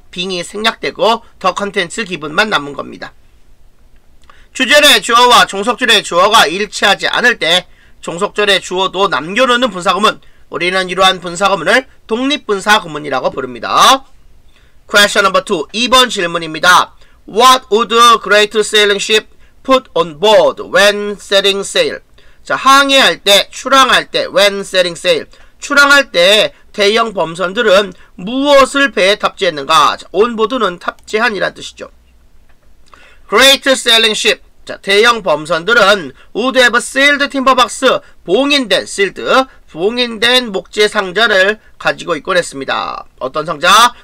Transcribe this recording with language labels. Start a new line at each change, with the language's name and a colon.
Korean: being이 생략되고
English: the contents given
Korean: 만 남은 겁니다. 주절의 주어와 종속절의 주어가 일치하지 않을 때 종속절의 주어도 남겨놓는 분사어문, 우리는 이러한 분사어문을 독립분사어문이라고 부릅니다.
English: Question number 2.
Korean: 2번 질문입니다.
English: What would great sailing ship put on board when setting sail?
Korean: 자, 항해할 때, 출항할 때,
English: when setting sail.
Korean: 출항할 때 대형 범선들은 무엇을 배에 탑재했는가? 자, on board는 탑재한이란 뜻이죠.
English: Great sailing ship.
Korean: 자, 대형 범선들은
English: would have sealed timber box,
Korean: 봉인된, sealed, 봉인된 목재 상자를 가지고 있곤 했습니다. 어떤 상자?